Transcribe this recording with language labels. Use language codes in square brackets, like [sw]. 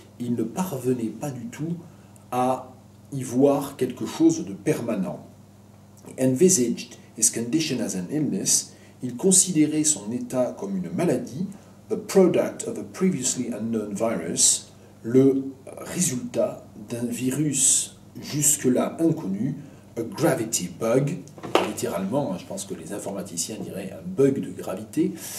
[fr] Il ne parvenait pas du tout à y voir quelque chose de permanent. [en] He envisaged his condition as an illness. [fr] Il considérait son état comme une maladie, [en] the product of a previously unknown virus, [fr] le résultat d'un virus jusque-là inconnu, [en] a gravity bug, [fr] littéralement, je pense que les informaticiens diraient un bug de gravité,